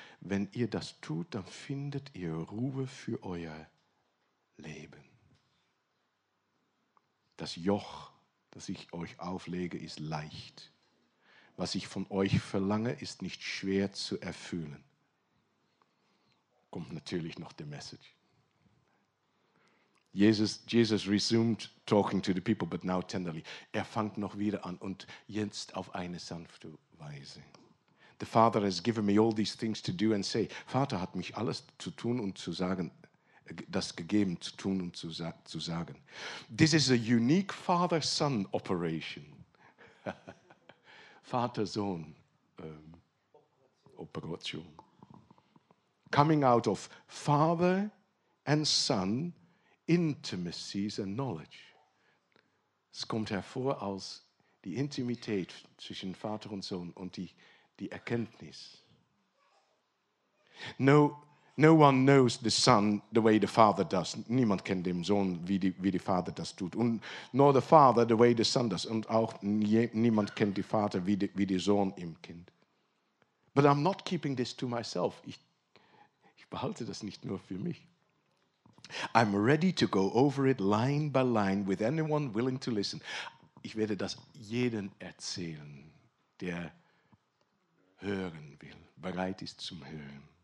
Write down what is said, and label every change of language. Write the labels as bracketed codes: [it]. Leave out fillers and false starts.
[de] Wenn ihr das tut, dann findet ihr Ruhe für euer Leben. Das Joch, das ich euch auflege, ist leicht. Was ich von euch verlange, ist nicht schwer zu erfüllen. Kommt natürlich noch der Message. [en] Jesus resumed talking to the people, but now tenderly. [de] Er fängt noch wieder an und jetzt auf eine sanfte Weise. [en] The Father has given me all these things to do and say. [de] Vater hat mich alles zu tun und zu sagen, das gegeben zu tun und zu sagen. [en] This is a unique father-son operation. [de] Vater-Sohn Operation. [en] Coming out of father and son intimacies and knowledge. [de] Es kommt hervor aus die Intimität zwischen Vater und Sohn und die Erkenntnis. No, [en] No one knows the Son the way the Father does. [de] Niemand kennt den Sohn, wie der Vater das tut. Und [en] nor the Father the way the Son does. [de] Und auch niemand kennt den Vater, wie der Sohn ihn kennt. [en] But I'm not keeping this to myself. [de] Ich behalte das nicht nur für mich. [en] I'm ready to go over it line by line with anyone willing to listen. [de] Ich werde das jedem erzählen, der hören will, bereit ist zum Hören.